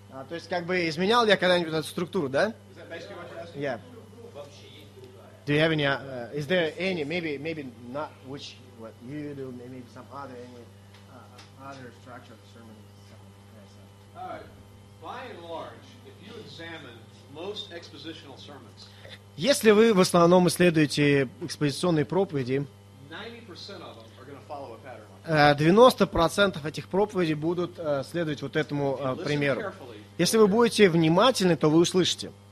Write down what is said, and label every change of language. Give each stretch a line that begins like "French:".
Russian: То есть, как бы, изменял я когда-нибудь эту структуру, да?
English: Is that basically what you're asking? Yeah. Do you have any, is there any, maybe not which, what you do, maybe some other, any other structure of the sermon? By and large, if you examine most expositional sermons,
Russian: если вы в основном исследуете экспозиционные проповеди,
English: 90% of them are going to follow a pattern.
Russian: 90% этих проповедей будут следовать вот этому примеру. Если вы будете внимательны, то вы услышите.